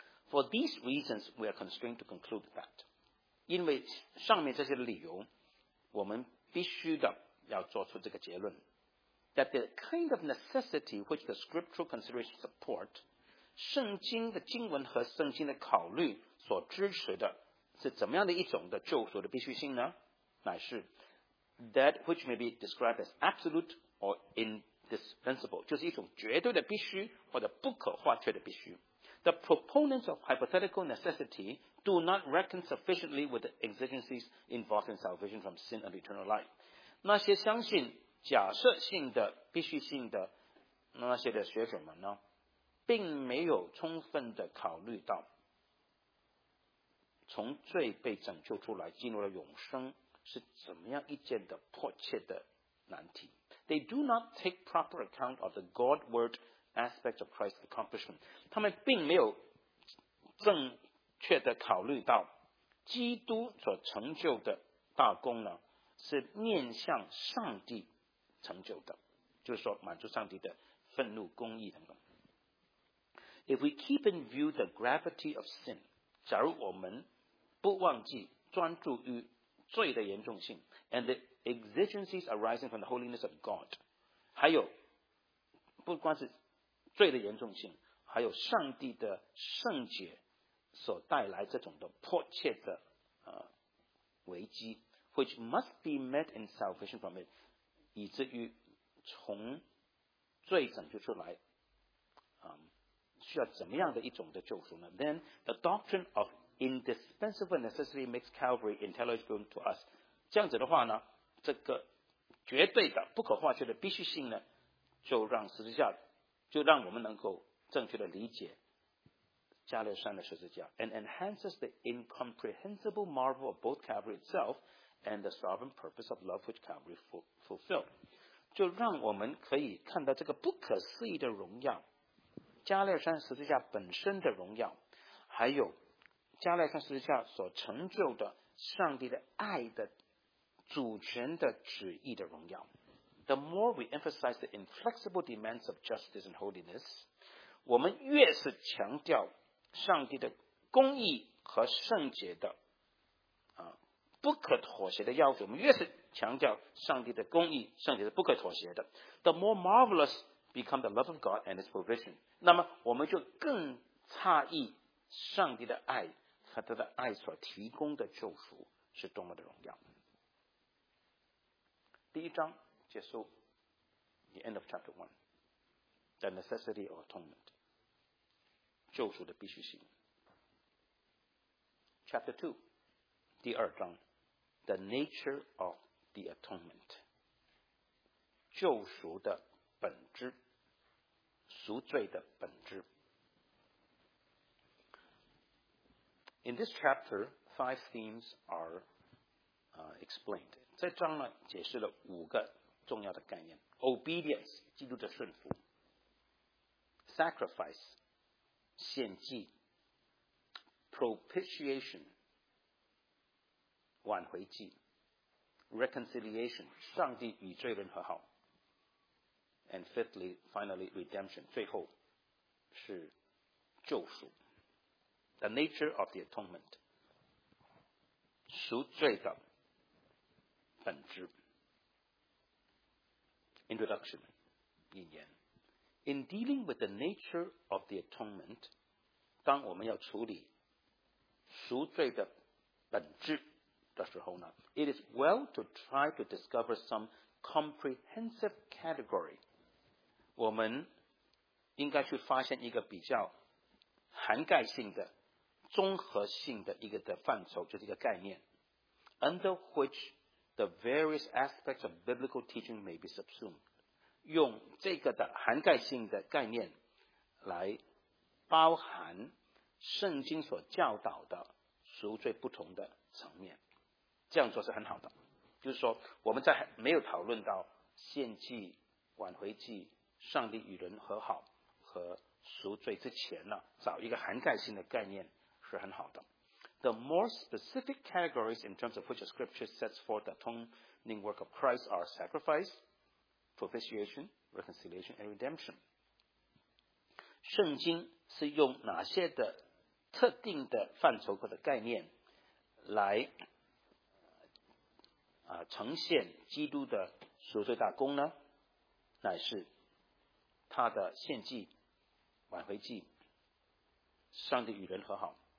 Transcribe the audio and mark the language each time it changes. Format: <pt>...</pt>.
<en>For these reasons we are constrained to conclude that</en> <zh>因为上面这些理由我们必须的要做出这个结论</zh> <en>That the kind of necessity which the scriptural considerations support</en> <zh>圣经的经文和圣经的考虑所支持的是怎么样的一种的救赎的必须性呢？乃是</zh> <en>that which may be described as absolute or indispensable，</en> <zh>就是一种绝对的必须或者不可或缺的必须。</zh> <en>The proponents of hypothetical necessity do not reckon sufficiently with the exigencies involved in salvation from sin and eternal life.</en> <zh>那些相信假设性的、必须性的那些的学者们呢，并没有充分的考虑到从罪被拯救出来进入了永生是怎么样一件的迫切的难题。</zh> <en>They do not take proper account of the Godward aspect of Christ's accomplishment.</en> <zh>他们并没有正确的考虑到基督所成就的大功呢是面向上帝成就的，就是说满足上帝的愤怒、公义等等。</zh> <en>If we keep in view the gravity of sin,</en> <zh>假如我们不忘记专注于罪的严重性</zh> <en>and the exigencies arising from the holiness of God,</en> <zh>还有不光是罪的严重性，还有上帝的圣洁所带来这种的迫切的危机</zh> <en>，which must be met in salvation from it，</en> <zh>以至于从罪拯救出来，需要怎么样的一种的救赎呢</zh> <en>？Then the doctrine of indispensable necessity makes Calvary intelligible to us。</en> <zh>这样子的话呢，这个绝对的、不可或缺的必须性呢，就让十字架，就让我们能够正确的理解加勒山的十字架</zh> <en>，and enhances the incomprehensible marvel of both Calvary itself and the sovereign purpose of love which Calvary fulfilled。</en> <zh>就让我们可以看到这个不可思议的荣耀，加勒山十字架本身的荣耀，还有加勒山十字架所成就的上帝的爱的主权的旨意的荣耀。</zh> <en>The more we emphasize the inflexible demands of justice and holiness,</en> <zh>我们越是强调上帝的公义和圣洁的不可妥协的要求，我们越是强调上帝的公义，上帝是不可妥协的。</zh> <en>The more marvelous become the love of God and His provision.</en> <zh>那么我们就更诧异上帝的爱和他的爱所提供的救赎是多么的荣耀。第一章结束</zh> <en>，the end of chapter one, the necessity of atonement,</en> <zh>救赎的必须性。</zh> <en>Chapter two,</en> <zh>第二章</zh> <en>，the nature of the atonement,</en> <zh>救赎的本质，赎罪的本质。</zh> <en>In this chapter, five themes are explained.</en> <zh>在这章呢，解释了五个重要的概念 ：obedience， 基督的顺服 ；sacrifice， 献祭 ；propitiation， 挽回祭 ；reconciliation， 上帝与罪人和好 ；</zh> <en>and fifthly， finally， redemption，</en> <zh>最后是救赎。</zh> <en>The nature of the atonement，</en> <zh>赎罪的本质。</zh> <en>Introduction，</en> <zh>引言。</zh> <en>In dealing with the nature of the atonement，</en> <zh>当我们要处理赎罪的本质的时候呢</zh> <en>，it is well to try to discover some comprehensive category。</en> <zh>我们应该去发现一个比较涵盖性的、综合性的一个的范畴，就是一个概念 ，</zh> <en>under which the various aspects of biblical teaching may be subsumed。</en> <zh>用这个的涵盖性的概念来包含圣经所教导的赎罪不同的层面，这样做是很好的。就是说，我们在没有讨论到献祭、挽回祭、上帝与人和好和赎罪之前呢，找一个涵盖性的概念。很好的。</zh> <en>The more specific categories in terms of which the scripture sets forth the atoning work of Christ are sacrifice, propitiation, reconciliation, and redemption.</en> <zh>圣经是用哪些的特定的范畴或者概念来呈现基督的赎罪大功呢？乃是他的献祭、挽回祭、上帝与人和好。</zh>